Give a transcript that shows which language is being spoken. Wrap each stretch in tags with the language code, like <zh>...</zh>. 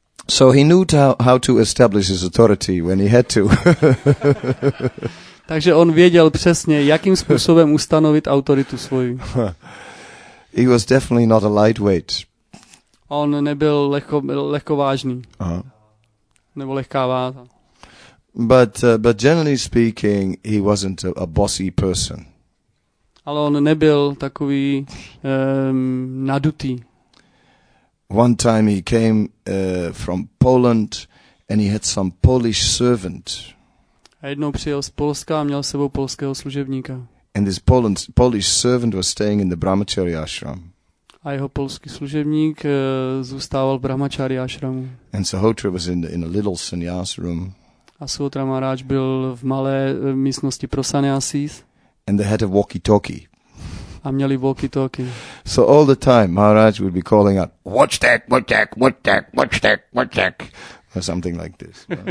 <en>So he knew how to establish his authority when he had to.</en> <cs>Takže on věděl přesně, jakým způsobem ustanovit autoritu svoji.</cs> <en>He was definitely not a lightweight.</en> <cs>On nebyl lehkovážný. Nebo lehká váha.</cs> <en>But generally speaking, he wasn't a bossy person.</en> <cs>Ale on nebyl takový nadutý.</cs> <en>One time he came from Poland and he had some Polish servant.</en> <cs>A jednou přijel z Polska a měl s sebou polského služebníka.</cs> <en>And this Polish servant was staying in the Brahmacharya ashram.</en> <cs>A jeho polský služebník zůstával v Brahmacharya ashramu.</cs> <en>And Sahotra was in a little sannyas room.</en> <cs>A Sahotra Maharaj byl v malé místnosti pro sannyasis.</cs> <en>And they had a walkie-talkie.</en> <cs>A měli walkie-talkie.</cs> <en>So all the time Maharaj would be calling out, "Watch that, watch that, watch that, watch that, watch that," or something like this.</en>